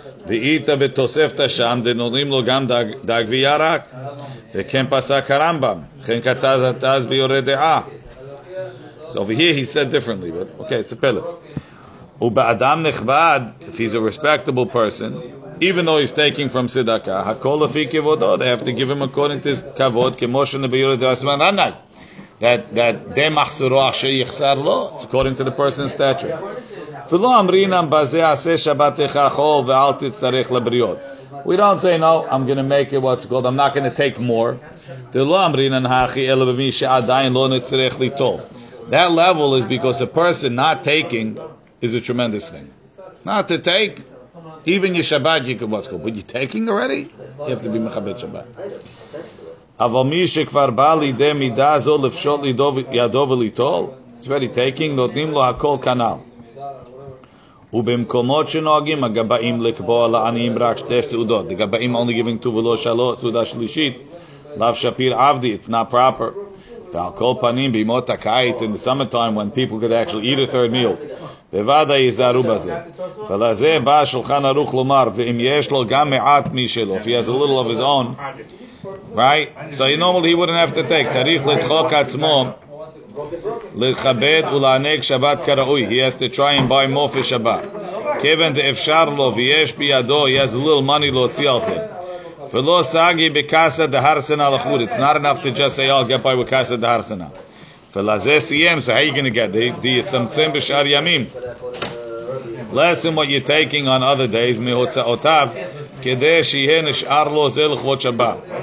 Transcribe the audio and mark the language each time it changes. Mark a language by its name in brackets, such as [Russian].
[Hebrew] ואיתה בתוספת שם, ונורים לו גם דג וירק, וכן פסק הרמב״ם, וכן כתב התז ביורי דעה. [English] So over here he said differently, but okay, it's a pillar. [Hebrew] ובאדם נכבד, [English] if he's a respectable person, even though he's taking from Siddaka, [Hebrew] הכל לפי כבודו, [English] they have to give him according to his כבוד, [Hebrew] כמו שנה ביורי דעה סמן רנג, [English] that [Hebrew] די מחסרו אשר יחסר לו, [English] it's according to the person's stature. [Hebrew] ולא אמרינם בזה עשה שבתך חול ואל תצטרך לבריאות. [English] We don't say, no, I'm going to make it what's called, I'm not going to take more. [Hebrew] ולא אמרינם האחי אלא במי שעדיין לא נצטרך ליטול. [English] That level is because a person not taking is a tremendous thing. Not to take, even your Shabbat, you can what's called. But you're taking already? You have to be מכבד שבת. [Hebrew] אבל מי שכבר בא לידי מידה זו לפשוט ידו וליטול, [English] it's already taking, [Hebrew] נותנים לו הכל כנל. ובמקומות שנוהגים הגבאים לקבוע לעניים רק שתי סעודות. The גבאים [English] only giving two [Hebrew] ולא שלוש, סעודה שלישית. לאו שפיר עבדי, [English] it's not proper. [Hebrew] ועל כל פנים, בימות הקיץ, [English] in the summertime, when people could actually eat a third meal, [Hebrew] בוודאי יזהרו בזה. ולזה בא שולחן ערוך לומר, ואם יש לו גם מעט משלו, [English] if he has a little of his own, right? So normally he wouldn't have to take. [Hebrew] צריך לדחוק עצמו. לכבד ולענג שבת כראוי. [English] He has to try and buy more for Shabbat. [Hebrew] כיוון דאפשר לו ויש בידו, [English] he has a little money [Hebrew] להוציא על זה. ולא סגי בקסה דהרסנה לחוד. [English] It's not enough to just say, I'll get by with קסה דהרסנה. [Hebrew] ולזה סיים, [English] so how are you going to get? They [Hebrew] יצמצם בשאר ימים. [English] Less than what you're taking on other days, [Hebrew] מהוצאותיו, כדי שיהיה נשאר לו זה לכבוד שבת.